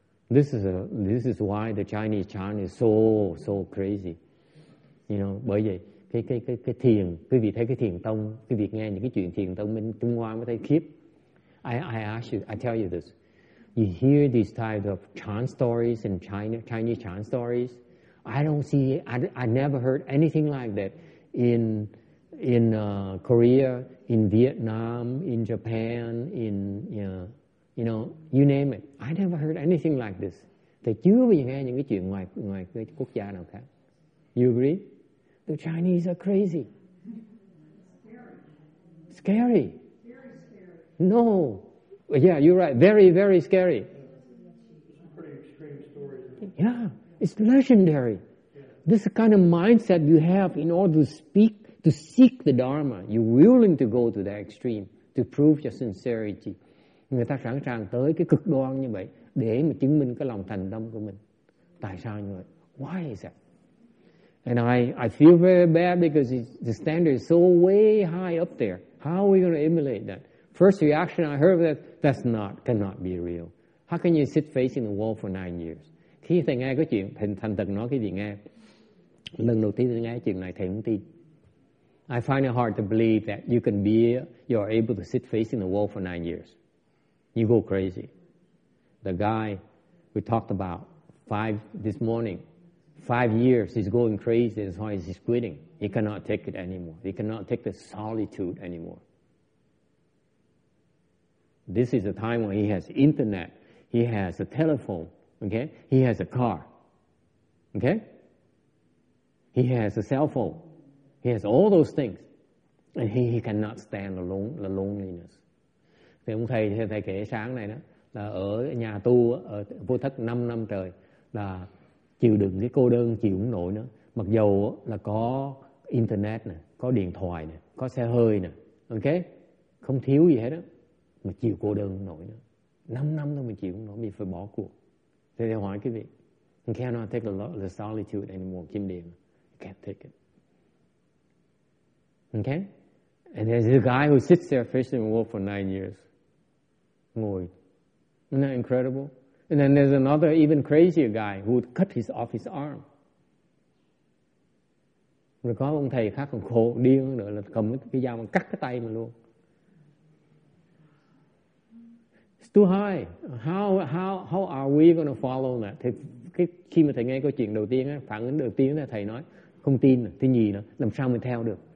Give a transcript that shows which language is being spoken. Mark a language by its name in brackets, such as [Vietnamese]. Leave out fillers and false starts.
[English] This is why the Chinese chant is so crazy. You know, [Vietnamese] bởi vậy cái thiền, quý vị thấy cái thiền tông, quý vị nghe những cái chuyện thiền tông bên Trung Hoa mới thấy khiếp. [English] I tell you this. You hear these type of chant stories in China, Chinese chant stories. I never heard anything like that in Korea, in Vietnam, in Japan, in you name it. I never heard anything like this. [Vietnamese] Thì chưa bao giờ nghe những cái chuyện ngoài cái quốc gia nào khác. [English] You agree? The Chinese are crazy. Scary. Scary. Very scary. No. Yeah, you're right. Very, very scary. Pretty extreme story. Yeah, it's legendary. Yeah. This kind of mindset you have in order to speak, to seek the Dharma, you're willing to go to that extreme to prove your sincerity. [Vietnamese] Người ta sẵn sàng tới cái cực đoan như vậy để mà chứng minh cái lòng thành tâm của mình. Tại sao như vậy? [English] Why is that? And I feel very bad because the standard is so way high up there. How are we going to emulate that? First reaction I heard that cannot be real. How can you sit facing the wall for 9 years? [Vietnamese] Khi thầy nghe cái chuyện, thầy thành thật nói cái gì nghe. Lần đầu tiên thầy nghe chuyện này, thầy không tin. [English] I find it hard to believe that you're able to sit facing the wall for 9 years. You go crazy. The guy we talked about this morning, five years, he's going crazy as far as he's quitting. He cannot take it anymore. He cannot take the solitude anymore. This is a time when he has internet. He has a telephone. Okay? He has a car. Okay? He has a cell phone. He has all those things. And he cannot stand the loneliness. [Vietnamese] Thì ông thầy kể sáng này đó, là ở nhà tu ở vô thất 5 năm trời là chịu đựng cái cô đơn chịu không nổi nữa. Mặc dù là có internet nè, có điện thoại nè, có xe hơi nè, ok, không thiếu gì hết đó, mà chịu cô đơn không nổi nữa. 5 năm thôi mà chịu không nổi, mình phải bỏ cuộc. Thế thầy hỏi quý vị, [English] you cannot take the solitude anymore, Kim Điền, you can't take it. Ok? And there's a guy who sits there facing the wall for 9 years. Ngồi. Isn't that incredible? And then there's another even crazier guy who would cut off his arm. [Vietnamese] Rồi có ông thầy khác còn khổ điên hơn nữa là cầm cái dao mà cắt cái tay mà luôn. [English] It's too high. How are we going to follow that? [Vietnamese] Thì khi mà thầy nghe câu chuyện đầu tiên, phản ứng đầu tiên là thầy nói, không tin, thứ nhì nữa, làm sao mình theo được?